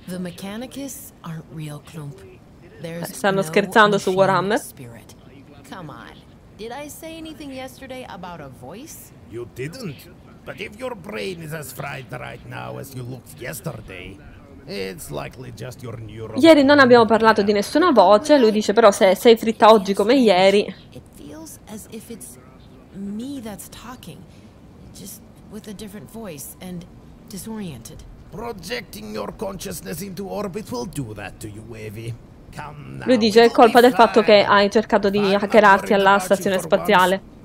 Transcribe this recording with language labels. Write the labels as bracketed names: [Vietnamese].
[English] The Mechanicus aren't real, Klump. [Italian] Stanno scherzando su Warhammer. [English] Come on. Did I say anything yesterday about a voice? You didn't. But if your brain is as fried right now as you looked yesterday, it's likely just your neuron. [Italian] Ieri non abbiamo parlato di nessuna voce, lui dice però se sei fritta oggi come ieri. [English] It feels as if it's me that's talking, just with a different voice and disoriented. Projecting your consciousness into orbit will do that to you, Evie. [Italian] Lui dice è colpa del fatto che hai cercato di hackerarti alla stazione spaziale.